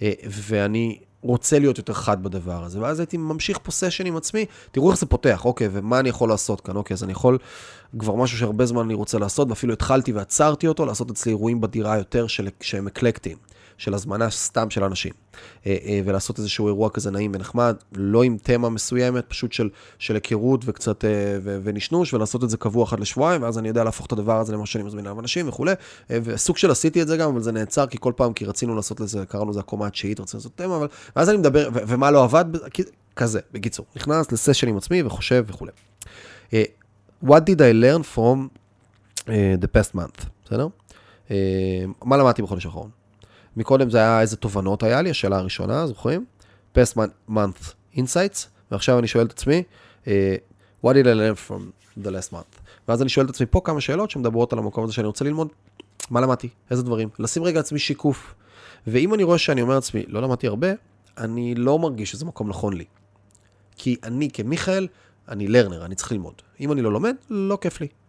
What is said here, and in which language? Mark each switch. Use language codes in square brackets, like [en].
[he] ואני רוצה להיות יותר חד בדבר הזה, ואז הייתי ממשיך פה סשן עם עצמי, תראו איך זה פותח, אוקיי, ומה אני יכול לעשות כאן, אוקיי, אז אני יכול, כבר משהו שהרבה זמן אני רוצה לעשות, ואפילו התחלתי ועצרתי אותו, לעשות אצלי אירועים בדירה יותר שהם אקלקטיים, של הזמנה סתם של אנשים, ולעשות איזשהו אירוע כזה נעים ונחמד, לא עם תמה מסוימת, פשוט של היכרות וקצת ונשנוש, ולעשות את זה קבוע אחת לשבועיים, ואז אני יודע להפוך את הדבר הזה למה שאני מזמין עליו אנשים וכו'. וסוג של עשיתי את זה גם, אבל זה נעצר, כי כל פעם כי רצינו לעשות לזה, קראנו זה הקומה התשיעית, רצינו לעשות תמה, אבל ואז אני מדבר, ומה לא עבד? כזה, בקיצור. נכנס לסשן עם עצמי וחושב וכו'. [en] What did I learn from the past month, [he] בסדר? מה למדתי בחודש האחרון? מקודם זה היה איזה תובנות היה לי, השאלה הראשונה, זוכרים? [en] Past month insights, [he] ועכשיו אני שואל את עצמי, [en] what did I learn from the last month? [he] ואז אני שואל את עצמי פה כמה שאלות שמדברות על המקום הזה שאני רוצה ללמוד, מה למדתי? איזה דברים? לשים רגע עצמי שיקוף. ואם אני רואה שאני אומר עצמי, לא למדתי הרבה, אני לא מרגיש שזה מקום נכון לי. כי אני כמיכאל, אני לרנר, אני צריך ללמוד. אם אני לא לומד, לא כיף לי.